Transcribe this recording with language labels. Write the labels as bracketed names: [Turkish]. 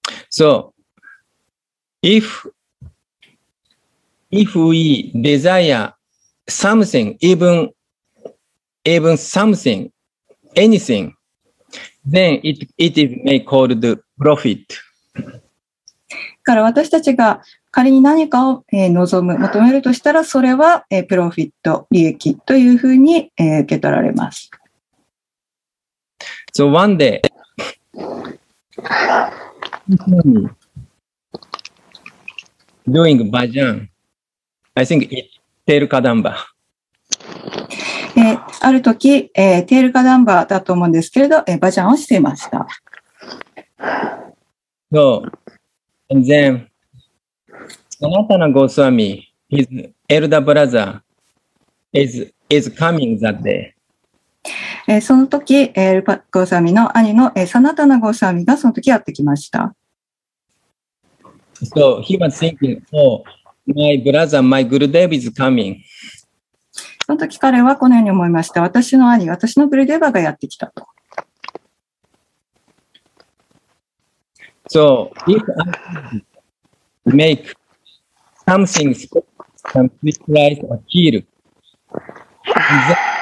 [English] So, if we desire something, even something, anything, then it may called profit. [Japanese] だから私たちが仮に何かを望む、求めるとしたら、それはプロフィット、利益というふうに受け取られます。 [English] So one day, doing bhajan, I think it's テールカダンバ。 [Japanese] ある時、テールカダンバだと思うんですけれど、バジャンをしていました。 [English] So, and then, Sanatana Goswami, his elder brother, is coming that day. [Japanese] その時、ルパゴーサミの兄のサナタナゴーサミがその時やってきました。 [English] So he was thinking, oh, my brother, my Gurudev is coming. [Japanese] その時彼はこのように思いました。私の兄、私のグルデバがやってきたと。 [English] So if I make something spiritualized or heal, that...